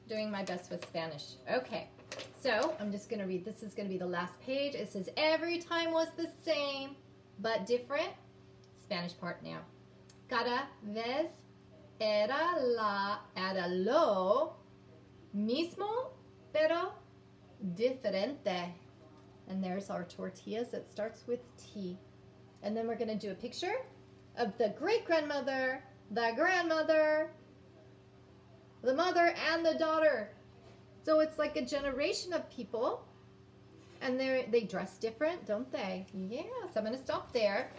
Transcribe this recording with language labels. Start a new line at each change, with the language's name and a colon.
English: Doing my best with Spanish. Okay. So, I'm just going to read. This is going to be the last page. It says, every time was the same, but different. Spanish part now.
Spanish: Cada vez era la era lo mismo pero diferente.
English: And there's our tortillas that starts with T. And then we're gonna do a picture of the great-grandmother, the grandmother, the mother, and the daughter. So it's like a generation of people, and they dress different, don't they? Yeah, so I'm gonna stop there.